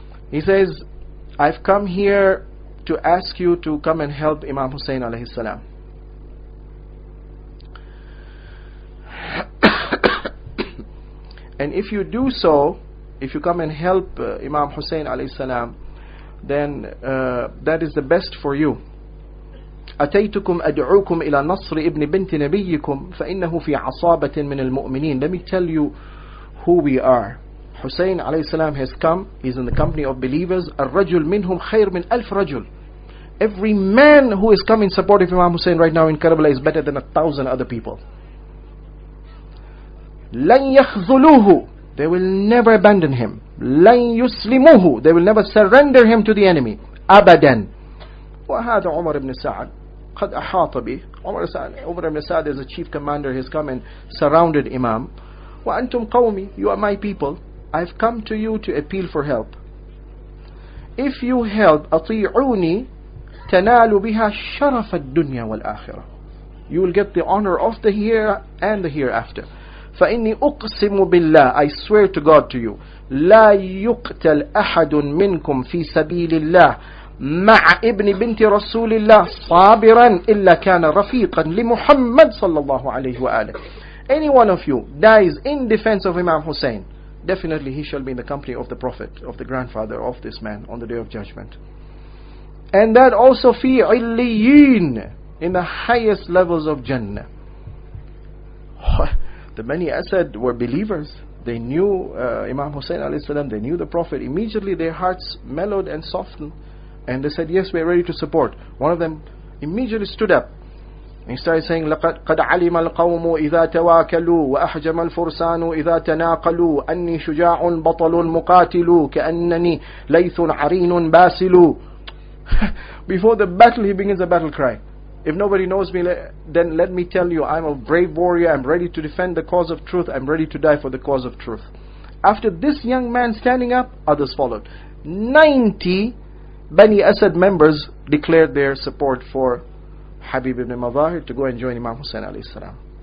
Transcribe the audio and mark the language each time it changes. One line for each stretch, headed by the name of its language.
English: He says, I've come here to ask you to come and help Imam Hussein alayhi salam. And if you do so, if you come and help Imam Hussein alayhi salam, then that is the best for you.
Arabic: أتيتكم أدعوكم إلى نصر ابن بنت نبيكم فإنه في عصابة من المؤمنين.
English: Let me tell you who we are. Hussein alayhi salam has come. He's in the company of believers.
Arabic: الرجل منهم خير من ألف رجل.
English: Every man who is coming in support of Imam Hussein right now in Karbala is better than 1,000 other people.
Arabic: لن يخذلوه.
English: They will never abandon him.
Arabic: لن يسلموه.
English: They will never surrender him to the enemy.
Arabic: أبدا. وهذا عمر بن سعد قد أحاط به.
English: عمر بن سعد is a chief commander. He's come and surrounded Imam.
Arabic: وأنتم قومي.
English: You are my people. I've come to you to appeal for help. If you help,
Arabic: أطيعوني تنالوا بها شرف الدنيا والآخرة.
English: You will get the honor of the here and the hereafter.
Arabic: فإني أقسم بالله,
English: I swear to God to you,
Arabic: لا يقتل أحد منكم في سبيل الله مع ابن بنت رسول الله صابرا إلا كان رفيقا لمحمد صلى الله عليه وآله.
English: Any one of you dies in defense of Imam Hussein, definitely he shall be in the company of the Prophet, of the grandfather of this man on the Day of Judgment. And that also في عليين, in the highest levels of Jannah. The Bani Asad were believers. They knew Imam Hussein alayhi salam. They knew the Prophet. Immediately their hearts mellowed and softened. And they said, yes, we are ready to support. One of them immediately stood up. And he started saying,
Arabic: قَدْ عَلِمَ الْقَوْمُ إِذَا تَوَاكَلُوا وَأَحْجَمَ الْفُرْسَانُ إِذَا تَنَاقَلُوا أَنِّي شُجَاعٌ بَطَلٌ مُقَاتِلُوا كَأَنَّنِي لَيْثٌ عَرِينٌ بَاسِلُوا.
English: Before the battle, he begins a battle cry. If nobody knows me, then let me tell you, I'm a brave warrior, I'm ready to defend the cause of truth, I'm ready to die for the cause of truth. After this young man standing up, others followed. 90 Bani Asad members declared their support for Habib ibn Madahir to go and join Imam Hussein alayhi salam.